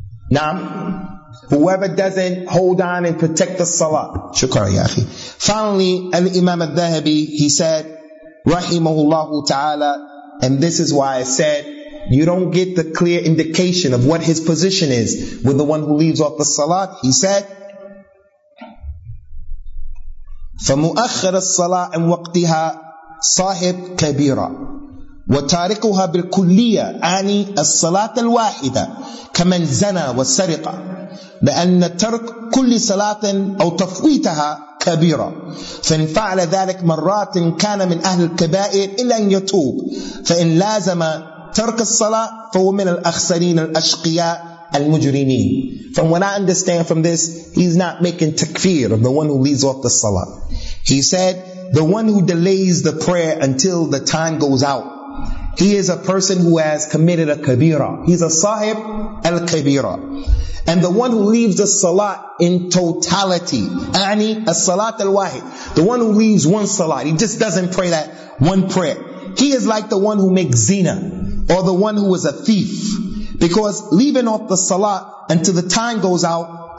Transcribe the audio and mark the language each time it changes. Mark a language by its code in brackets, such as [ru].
[en] Now, whoever doesn't hold on and protect the salah. Shukran, ya akhi. Finally, Al-Imam al-Dhahabi, he said, rahimahullahu ta'ala, and this is why I said, you don't get the clear indication of what his position is with the one who leaves off the salah. He said, [ar] فَمُؤَخِّرُ الصَّلَاةِ عَنْ وَقْتِهَا صَاحِبُ كَبِيرًا وَتَارِكُهَا بِالْكُلِّيَّةِ أَعْنِي الصَّلَاةَ الْوَاحِدَةِ كَمَنْ زَنَى وَسَرِقَ لأن ترك كل صلاة أو تفويتها كبيرة فإن فعل ذلك مرات كان من أهل الكبائر إلا أن يتوب فإن لازم ترك الصلاة فهو من الأخسرين الأشقياء المجرمين. [en] From what I understand from this, he's not making takfir of the one who leaves off the salah. He said, the one who delays the prayer until the time goes out, he is a person who has committed a kabira. He's a sahib al-kabira. And the one who leaves the salat in totality, [ar] أعني الصلاه الواحد, [en] the one who leaves one salat, he just doesn't pray that one prayer, he is like the one who makes zina, or the one who is a thief. Because leaving off the salat until the time goes out